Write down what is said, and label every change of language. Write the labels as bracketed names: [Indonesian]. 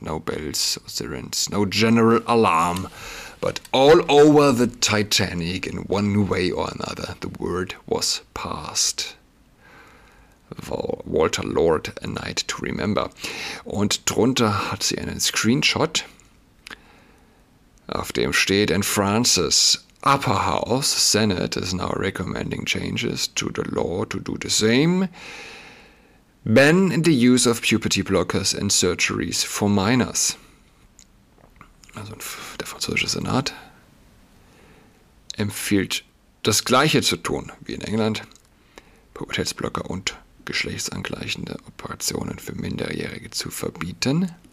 [English] No bells or sirens, no general alarm, but all over the Titanic, in one way or another, the word was passed. Walter Lord, a night to remember. [German] Und drunter hat sie einen Screenshot, auf dem steht, [English] in Francis, Upper House, Senate is now recommending changes to the law to do the same. Ban the use of puberty blockers in surgeries for minors. [German] Also der französische Senat empfiehlt, das Gleiche zu tun wie in England. Pubertätsblocker und geschlechtsangleichende Operationen für Minderjährige zu verbieten.